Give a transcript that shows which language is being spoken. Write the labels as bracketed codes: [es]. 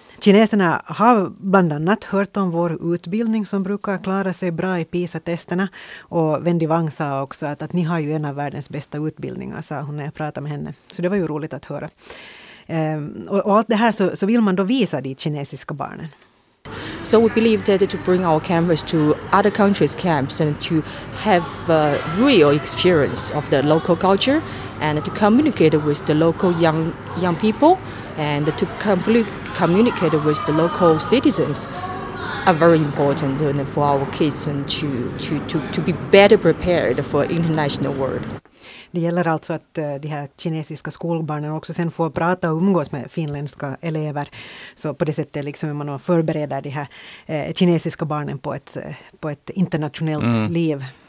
[sv] Kineserna har bland annat hört om vår utbildning som brukar klara sig bra i PISA-testerna. Och Wendy Wang sa också att ni har ju en av världens bästa utbildningar, sa hon när jag pratade med henne. Så det var ju roligt att höra. Och allt det här så vill man då visa de kinesiska barnen. [en] So we believe that to bring our campus to other countries' camps and to have a real experience of the local culture and to communicate with the local young people and to communicate with the local citizens are very important for our kids and to be better prepared for international world. [sv] Det gäller alltså att de här kinesiska skolbarnen också sen får prata och umgås med finländska elever. Så på det sättet liksom man förbereder de här kinesiska barnen på ett internationellt liv.